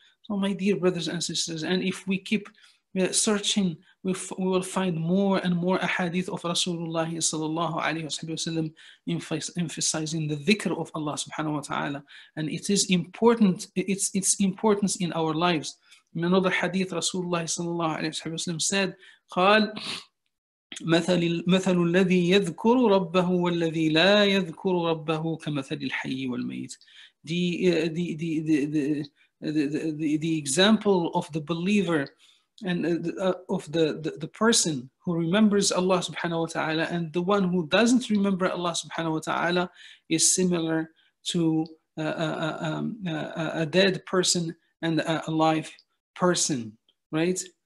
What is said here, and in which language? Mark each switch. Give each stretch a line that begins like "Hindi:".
English: So my dear brothers and sisters, and if we keep searching, we will find more and more ahadith of Rasulullah sallallahu alayhi wa sallam emphasizing the dhikr of Allah subhanahu wa ta'ala. And it is important, its importance in our lives. In another hadith, Rasulullah sallallahu alayhi wa sallam said,
Arabic: قال مثل الذي يذكر ربه والذي لا يذكر ربه كمثل الحي والميت.
English: The example of the believer and of the person who remembers Allah subhanahu wa ta'ala and the one who doesn't remember Allah subhanahu wa ta'ala is similar to a dead person and a live person, right?